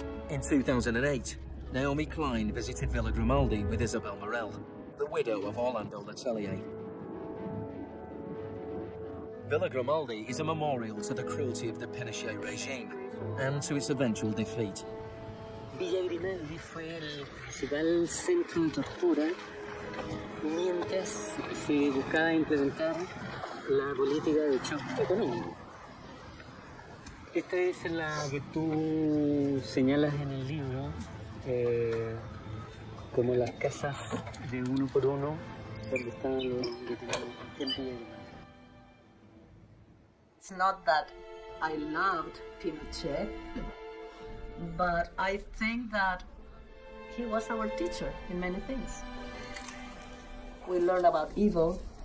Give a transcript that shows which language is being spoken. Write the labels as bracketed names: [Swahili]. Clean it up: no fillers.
[English] In 2008, Naomi Klein visited Villa Grimaldi with Isabel Morell, the widow of Orlando Letelier. Villa Grimaldi is a memorial to the cruelty of the Pinochet regime and to its eventual defeat. [Spanish] Villa Grimaldi fue el principal centro de tortura mientras se buscaba implementar la política de choque económico. Esta es la que tú señalas en el libro, como las casas de uno por uno, donde estaban los detenidos. [English] It's not that I loved Pinochet, but I think that he was our teacher in many things. We learn about evil.